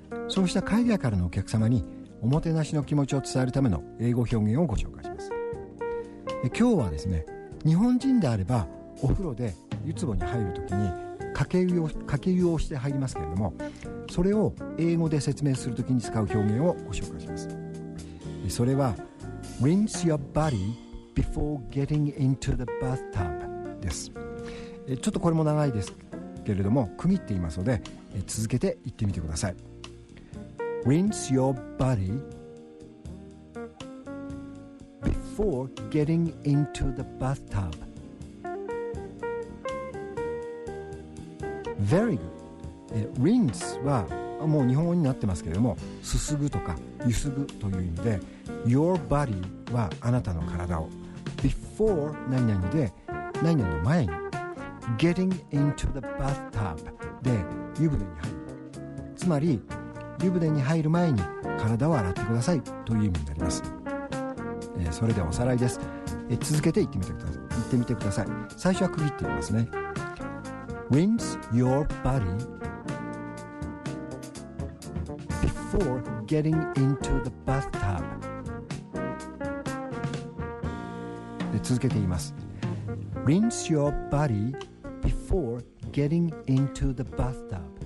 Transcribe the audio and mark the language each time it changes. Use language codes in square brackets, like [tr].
[ja] そうした海外からのお客様におもてなしの気持ちを伝えるための英語表現をご紹介します。今日はですね、日本人であればお風呂で湯壺に入るときにかけ湯をして入りますけれども、それを英語で説明するときに使う表現をご紹介します。それは [en] Rinse your body before getting into the bathtub [ja] です。ちょっとこれも長いですけれども区切っていますので、続けて言ってみてください。 [en] Rinse your body before getting into the bathtub. Very good. [ja] Rinse はもう日本語になってますけれども、すすぐとかゆすぐという意味で、 Your body はあなたの体を、 Before 何々で何々の前に、 [en] Getting into the bathtub [ja] で湯船に入る、つまり湯船に入る前に体を洗ってくださいという意味になります。それではおさらいです。続けて言ってみてください。最初は区切ってみますね。 [en] Rinse your body before getting into the bathtub. [ja] で続けて言います。 [en] Rinse your bodyBefore getting into the bathtub.